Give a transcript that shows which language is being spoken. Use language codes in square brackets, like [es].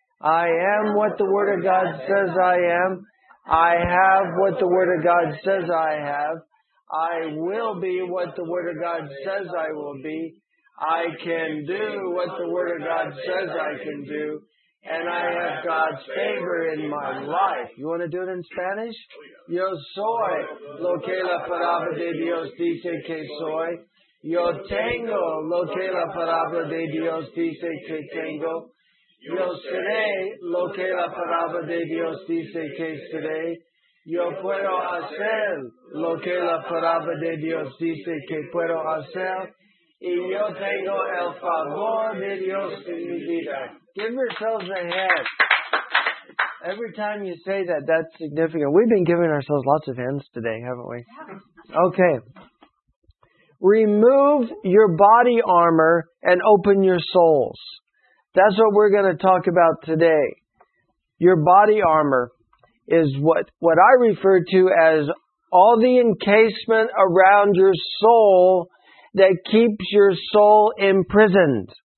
[en] I am what the Word of God says I am. I have what the Word of God says I have. I will be what the Word of God says I will be. I can do what the Word of God says I can do, and I have God's favor in my life. You want to do it in Spanish? [es] Yo soy lo que la palabra de Dios dice que soy. Yo tengo lo que la palabra de Dios dice que tengo. Yo seré lo que la palabra de Dios dice que seré. Yo puedo hacer lo que la palabra de Dios dice que puedo hacer. Y yo tengo el favor de Dios en mi vida. [en] Give yourselves a hand. Every time you say that, that's significant. We've been giving ourselves lots of hands today, haven't we? Okay. Remove your body armor and open your souls. That's what we're going to talk about today. Your body armor is what I refer to as all the encasement around your soul that keeps your soul imprisoned.